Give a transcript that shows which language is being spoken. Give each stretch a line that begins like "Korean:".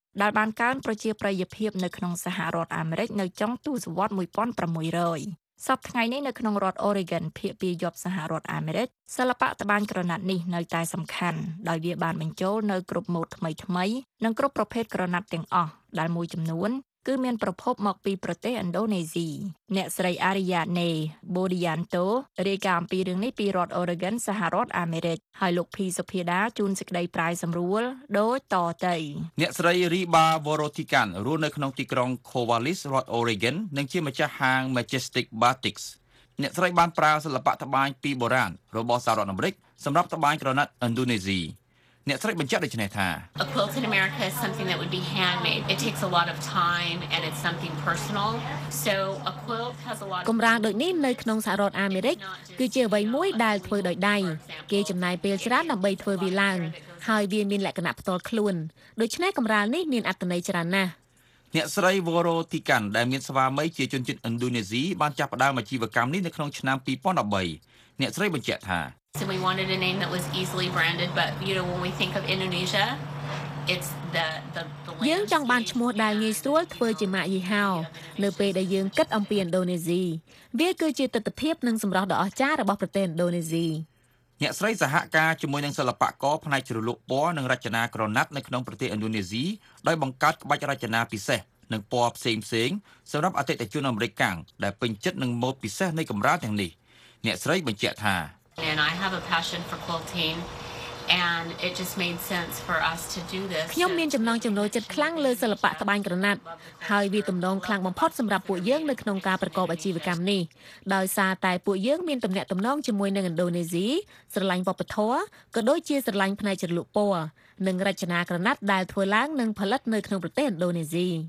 Khmer: ដែលបានកើនប្រជាប្រិយភាពនៅក្នុងសហរដ្ឋអាមេរិកនៅចុងទសវត្សរ៍1600សប្តាហ៍នេះនៅក្នុងរដ្ឋ Oregon ភាគពាយ័ព្យសហរដ្ឋអាមេរិកសិល្បៈត្បាញក្រណាត់នេះនៅតែសំខាន់ដោយវាបានបញ្ចូលនៅក្នុងម៉ូដថ្មីៗនិងគ្រប់ប្រភេទក្រណាត់ទាំងអស់ដែលមួយចំនួនគឺមានប្រភពមកពីប្រទេសឥណ្ឌូនេស៊ីអ្នកស្រីអារីយ៉ាណេបូឌីយ៉ាន់តូរាយការណ៍អំពីរឿងនេះពីរដ្ឋអូរ៉េហ្គិនសហរដ្ឋអាមេរិកហើយលោកភីសុភាដាជួនសេចក្តីប្រាយសម្រួលដូចតទៅ អ្នកស្រីរីបាវ៉ារ៉ូទីកាន់រស់នៅក្នុងទីក្រុងខូវ៉ាលីសរដ្ឋអូរ៉េហ្គិននិងជាម្ចាស់ហាង Majestic Batiks អ្នកស្រីបានប្រើសិល្បៈត្បាញពីបុរាណរបស់សហរដ្ឋអាមេរិកសម្រាប់ត្បាញក្រណាត់ឥណ្ឌូនេស៊ីអ្នកស្រីបញ្ជាក់ដូចនេះថា
English: A quilt in America is something that would be handmade. It takes a lot of time and it's something personal. So a quilt has a lot
Khmer: កំរាលដូចនេះនៅក្នុងសហរដ្ឋអាមេរិកគឺជាអ្វីមួយដែលធ្វើដោយដៃគេចំណាយពេលច្រើនដើម្បីធ្វើវាឡើងហើយវាមានលក្ខណៈផ្ទាល់ខ្លួនដូច្នេះកំរាលនេះមានអត្ថន័យច្រើនណាស់អ្នកស្រីវ៉ារ៉ូទីកាន់ដែលមានស្វាមីជាជនជាតិឥណ្ឌូនេស៊ីបានចាប់ផ្ដើមអាជីវកម្មនេះនៅក្នុងឆ្នាំ2013អ្នកស្រីបញ្ជាក់ថា
English: So we wanted a name that was easily branded, but you know, when we think of Indonesia, it's the
Khmer: យើងចង់បានឈ្មោះដែលងាយស្រួលធ្វើជាម៉ាកយីហោនៅពេលដែលយើងគិតអំពីឥណ្ឌូនេស៊ីវាគឺជាទិដ្ឋភាពនិងសម្រស់ដ៏អស្ចារ្យរបស់ប្រទេសឥណ្ឌូនេស៊ី អ្នកស្រីសហការជាមួយនឹងសិល្បករផ្នែកជ្រលក់ពណ៌និងរចនាក្រណាត់នៅក្នុងប្រទេសឥណ្ឌូនេស៊ីដោយបង្កើតក្បាច់រចនាពិសេសនិងពណ៌ផ្សេងៗសម្រាប់អតិថិជនអាមេរិកកាំងដែលពេញចិត្តនឹងម៉ូដពិសេសនៃកម្រាលទាំងនេះអ្នកស្រីបញ្ជាក់ថា
English: And I have a passion for quilting and it just made sense for us to do this.
Khmer: ខ្ញុំមានចំណងចំណូលចិត្តខ្លាំងលើសិល្បៈត្បាញក្រណាត់ហើយវាទំនងខ្លាំងបំផុតសម្រាប់ពួកយើងនៅក្នុងការប្រកបអាជីវកម្មនេះដោយសារតែពួកយើងមានទំនាក់ទំនងជាមួយនឹងឥណ្ឌូនេស៊ីស្រឡាញ់វប្បធម៌ក៏ដូចជាស្រឡាញ់ផ្នែកជ្រលក់ពណ៌និងរចនាក្រណាត់ដែលធ្វើឡើងនិងផលិតនៅក្នុងប្រទេសឥណ្ឌូនេស៊ី